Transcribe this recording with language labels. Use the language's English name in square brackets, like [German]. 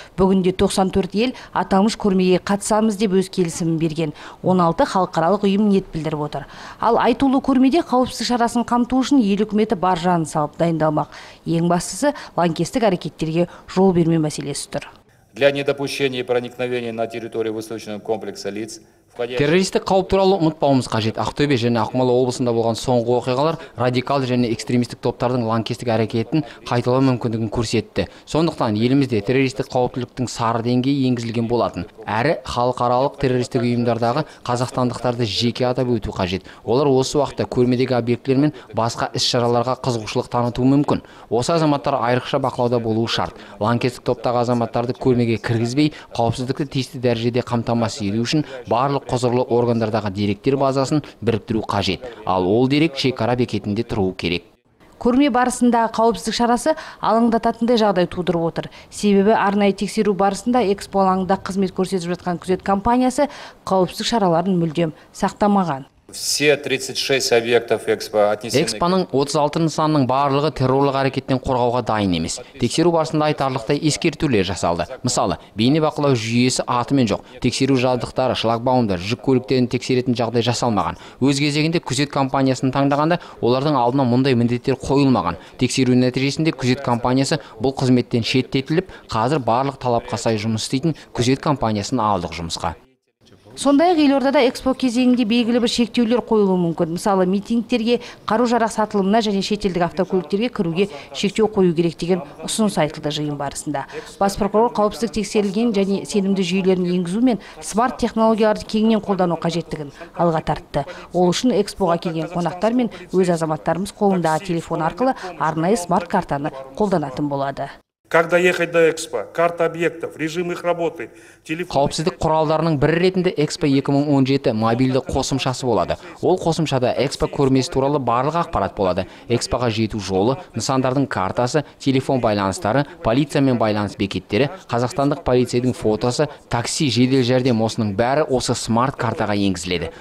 [Kazakh] Бүгінде 94 ел аталмыш көрмеге қатысамыз деп өз келісімін берген. 16 халықаралық ұйым ниет білдіріп отыр. Ал айтулы көрмеде қауіпсіздік шарасын қамту үшін ел үкіметі бар жанын салып дайындалмақ. Ең бастысы лаңкестік әрекеттерге жол бермеу мәселесі тұр. [Russian] Для недопущения проникновения на территорию выставочного комплекса лиц. [Kazakh] Террористік қауіп туралы ұмытпауымыз қажет. Ақтөбе және Ақмола облысында болған соңғы оқиғалар радикал және экстремистік топтардың лаңкестік әрекетін қайталау мүмкіндігін көрсетті. Сондықтан елімізде террористік қауіптіліктің сары деңгейі енгізілген болатын. Әрі халықаралық террористік ұйымдардағы қазақстандықтарды жеке атап өту қажет. Олар осы уақытта көрмедегі объектілер мен басқа іс-шараларға қызығушылық танытуы мүмкін. Осы азаматтар айрықша бақылауда болуы шарт. Лаңкестік топтағы азаматтарды көрмеге кіргізбей, қауіпсіздікті тиісті дәрежеде қамтамасыз ету үшін бар құзырлы органдардағы деректер базасын біріктіру қажет. Ал ол дерек шекара бекетінде тұруы керек. Көрме барысында қауіпсіздік шарасы алаңдататындай жағдай тудырып отыр. Себебі арнайы тексеру барысында экспо алаңында қызмет көрсетіп жатқан күзет компаниясы қауіпсіздік шараларын мүлдем сақтамаған. [Russian] Все 36 объектов экспо отнесены. [Kazakh] Экспоның 36 нысанының барлығы террорлық әрекеттен қорғауға дайын емес. Тексеру барысында айтарлықтай ескертулер жасалды. Мысалы, бейнебақылау жүйесі атымен жоқ. Тексеру жабдықтары, шлагбаумдар, жүк көліктерін тексеретін жағдай жасалмаған. Өз кезегінде күзет компаниясын таңдағанда олардың алдына мұндай міндеттер қойылмаған. Тексеру нәтижесінде күзет компаниясы бұл қызметтен шеттетіліп, қазір барлық талапқа сай жұмыс істейтін күзет компаниясын алдық жұмысқа. Сондай-ақ елордада экспо кезеңінде белгілі бір шектеулер қойылуы мүмкін. Мысалы, митингтерге, қару-жарақ сатылымына және шетелдік автокөліктерге кіруге шектеу қою керек деген ұсыныс айтылды жиын барысында. Бас прокурор қауіпсіздік тексерілген және сенімді жүйелерін енгізу мен смарт технологияларды кеңінен қолдану қажеттігін алға тартты. Ол үшін экспоға келген қонақтар мен өз азаматтарымыз қолындағы телефон арқылы арнайы смарт картаны қолданатын болады. [Russian] Когда ехать до экспо? Карта объектов, режим их работы, телефон. [Kazakh] Қауіпсіздік құралдарының бірі ретінде экспо 2017 мобильді қосымшасы болады. Ол қосымшада экспо көрмесі туралы барлық ақпарат болады. Экспоға жету жолы, нысандардың картасы, телефон байланыстары, полиция мен байланыс бекеттері, қазақстандық полицейдің фотосы, такси, жедел жәрдем осының бәрі осы смарт картаға енгізіледі.